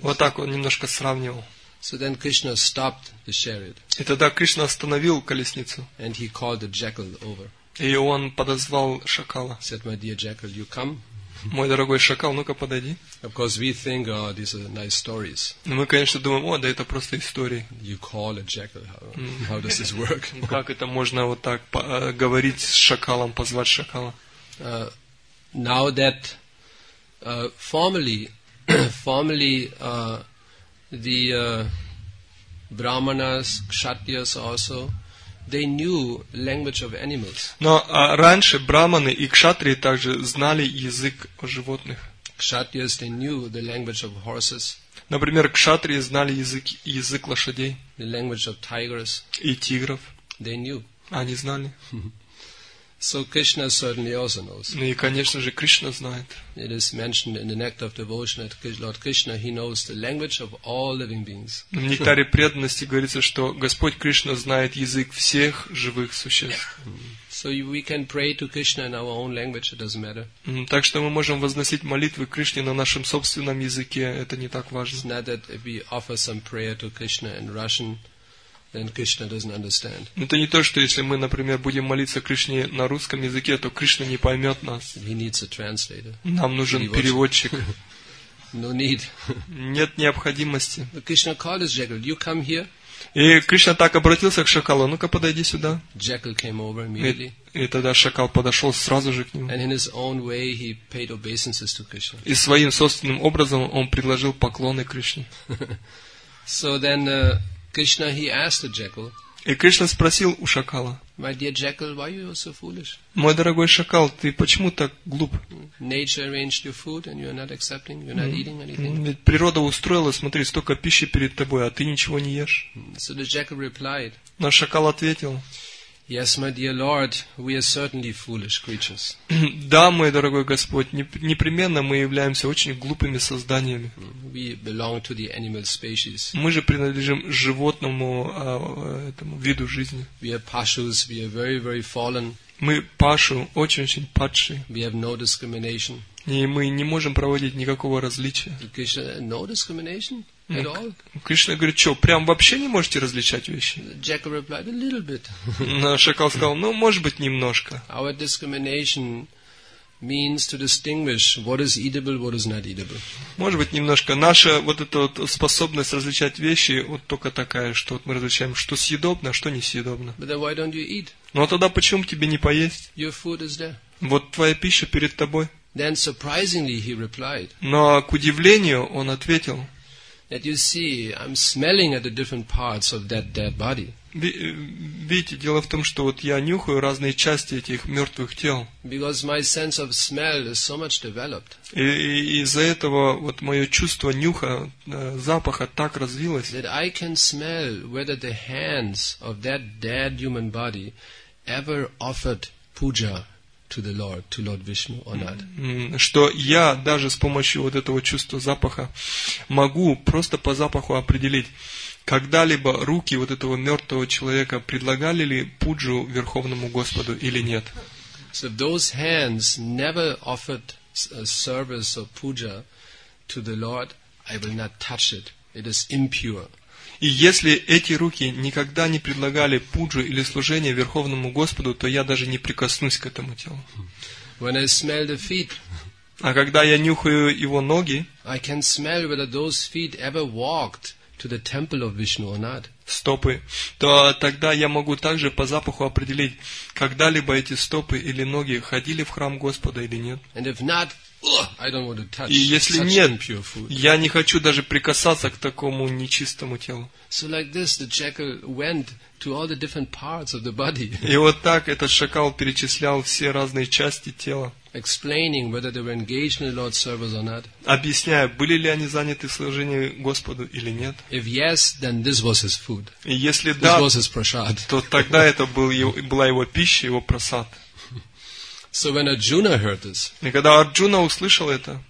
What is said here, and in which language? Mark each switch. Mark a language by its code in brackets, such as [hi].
[ru] Вот так он немножко сравнивал. [en] So then Krishna stopped the chariot. [ru] И тогда Кришна остановил колесницу. [en] And he called the jackal over. [ru] И он подозвал шакала. [en] Said, my dear jackal, you come. [ru] Мой дорогой шакал, ну-ка подойди. [en] Of course, we think, oh, these are nice stories. [ru] Но мы, конечно, думаем, о, да это просто истории. [en] You call a jackal, how does this work? [ru] Как это можно вот так говорить с шакалом, позвать шакала? [en] Now that formerly, the brahmanas, kshatriyas also, they knew language of animals. [ru] Но раньше браманы и кшатрии также знали язык животных. [en] Kshatriyas, they knew the language of horses. [ru] Например, кшатрии знали язык лошадей. [en] The language of tigers. [ru] И тигров. [en] They knew. [ru] Они знали. [en] So Krishna certainly also knows. [ru] И, конечно же, Кришна знает. [en] It is mentioned in the Nectar of Devotion that Lord Krishna, he knows the language of all living beings. [ru] В Нектаре преданности говорится, что Господь Кришна знает язык всех живых существ. [en] So we can pray to Krishna in our own language, it doesn't matter. [ru] Так что мы можем возносить молитвы Кришне на нашем собственном языке, это не так важно. [en] It's not that if we offer some prayer to Krishna in Russian, then Krishna doesn't understand. [ru] Это не то, что если мы, например, будем молиться Кришне на русском языке, то Кришна не поймет нас. [en] He needs a translator. [ru] Нам нужен переводчик. [en] No need. [ru] Нет необходимости. [en] But Krishna called his jackal. You come here. [ru] И Кришна так обратился к шакалу. Ну-ка, подойди сюда. [en] Jackal came over immediately. [ru] И тогда шакал подошел сразу же к нему. [en] And in his own way, he paid obeisances to Krishna. [ru] И своим собственным образом он предложил поклоны Кришне. [en] So then, Krishna, he asked the jackal. [ru] И Кришна спросил у шакала. [en] My dear jackal, why are you so foolish? [ru] Мой дорогой шакал, ты почему так глуп? [en] Nature arranged your food and you're not accepting, you're not eating anything. [ru] Ведь природа устроила, смотри, столько пищи перед тобой, а ты ничего не ешь. [en] So the jackal replied. [ru] Но шакал ответил. [en] Yes, my dear lord, we are certainly foolish creatures. [ru] Да, мой дорогой Господь, непременно мы являемся очень глупыми созданиями. [en] We belong to the animal species. [ru] Мы же принадлежим животному этому виду жизни. [en] We are pashus, we are very, very fallen. [ru] Мы пашу, очень-очень падшие. [en] We have no discrimination. [ru] И мы не можем проводить никакого различия. [en] Krishna, no discrimination at all? [ru] Кришна говорит, что, прям вообще не можете различать вещи? [en] Jackal replied, a little bit. [ru] Шакал сказал, ну, может быть, немножко. [en] Our discrimination means to distinguish what is eatable, what is not eatable. [ru] Может быть, немножко. Наша вот эта вот способность различать вещи вот только такая, что вот мы различаем, что съедобно, а что несъедобно. [en] But then why don't you eat? [ru] Ну, а тогда почему тебе не поесть? [en] Your food is there. [ru] Вот твоя пища перед тобой. [en] Then surprisingly he replied. [ru] Но к удивлению он ответил. [en] That you see, I'm smelling at the different parts of that dead body. [ru] Видите, дело в том, что вот я нюхаю разные части этих мертвых тел. [en] Because my sense of smell is so much developed. [ru] И из-за этого вот мое чувство нюха, запаха так развилось. [en] That I can smell whether the hands of that dead human body ever offered puja to the Lord, to Lord Vishnu or not. [ru] Что я даже с помощью вот этого чувства запаха могу просто по запаху определить, когда-либо руки вот этого мертвого человека предлагали ли пуджу Верховному Господу или нет. [en] So if those hands never offered a service or puja to the Lord, I will not touch it. It is impure. [ru] И если эти руки никогда не предлагали пуджу или служение Верховному Господу, то я даже не прикоснусь к этому телу. [en] When I smell the feet, [ru] а когда я нюхаю его ноги, [en] I can smell whether those feet ever walked to the temple of Vishnu or not. [ru] Стопы, то тогда я могу также по запаху определить, когда-либо эти стопы или ноги ходили в храм Господа или нет. [en] And if not, I don't want to touch. [ru] И если нет, я не хочу даже прикасаться к такому нечистому телу. [en] So like this, the jackal went to all the different parts of the body. [ru] И вот так этот шакал перечислял все разные части тела. [en] Explaining whether they were engaged in the Lord's service or not. [ru] Объясняя, были ли они заняты служением Господу или нет. [en] If yes, then this was his food. [ru] И если [en] this [ru] да, [en] was his prasad. [ru] То тогда это был его, была его пища, его прасад. [en] So when Arjuna heard this, [ru] и когда Арджуна услышал это,